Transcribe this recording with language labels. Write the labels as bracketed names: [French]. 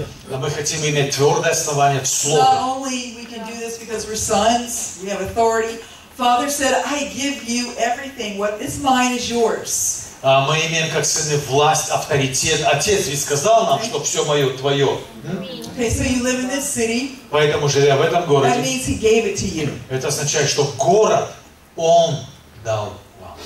[Russian] Мы хотим иметь твердое основание в Слове. [English] Not only we can do this because we're sons, we have authority. Father said, I give you everything. What is mine is yours. [Russian] Мы имеем как сыны власть, авторитет. Отец ведь сказал нам, что все мое, твое. [English] Okay, so you live in this city. [Russian] Поэтому, живя в этом городе, [English] that means he gave it to you. [Russian] Это означает, что город он дал вам.